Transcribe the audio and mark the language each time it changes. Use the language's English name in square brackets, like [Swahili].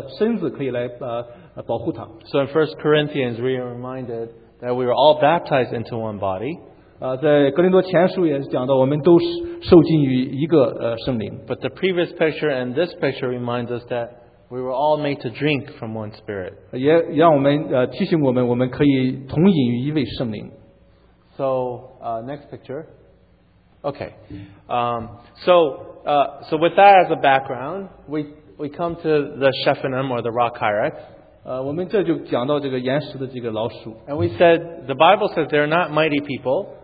[Chinese] 水可以来漫过他的身子，可以来保护他。 [English] So in 1 Corinthians, we are reminded that we were all baptized into one body. [Chinese] 在哥林多前书也讲到，我们都受浸于一个圣灵。 [English] But the previous picture and this picture reminds us that we were all made to drink from one spirit. [Chinese] 也让我们提醒我们，我们可以同饮于一位圣灵。 [English] So, next picture. Okay. So with that as a background, we come to the Shephanim or the Rock Hyrax. And we said, the Bible says they're not mighty people.